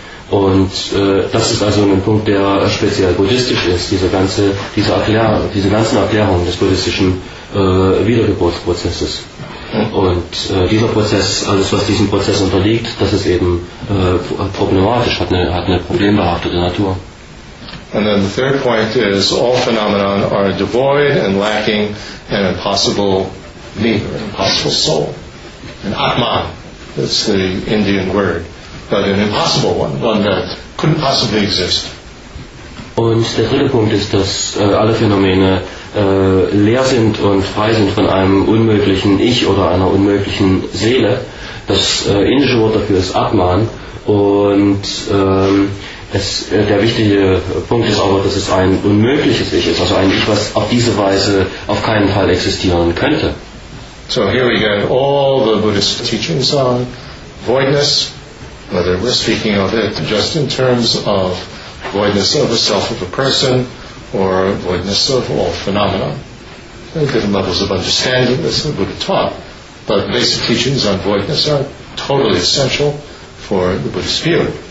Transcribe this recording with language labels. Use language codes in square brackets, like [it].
[de] Und das ist also ein Punkt, der speziell buddhistisch ist, diese ganzen Erklärungen des buddhistischen Wiedergeburtsprozesses. Und dieser Prozess, alles was diesem Prozess unterliegt, das ist eben problematisch, hat eine problembehaftete Natur. [en] And then the third point is, all phenomena are devoid and lacking an impossible neighbor, an impossible soul. An Atman, that's the Indian word. But an impossible one that couldn't possibly exist. [de] Und der dritte Punkt ist, dass alle Phänomene leer sind und frei sind von einem unmöglichen Ich oder einer unmöglichen Seele. Das indische Wort dafür ist Atman. Und der wichtige Punkt ist aber, dass es ein unmögliches Ich ist, also ein Ich, was auf diese Weise auf keinen Fall existieren könnte. [en] So here we get all the Buddhist teachings on voidness. Whether we're speaking of it just in terms of voidness of a self of a person or voidness of all phenomena. There are different levels of understanding, as the Buddha taught, but basic teachings on voidness are totally essential for the Buddhist view.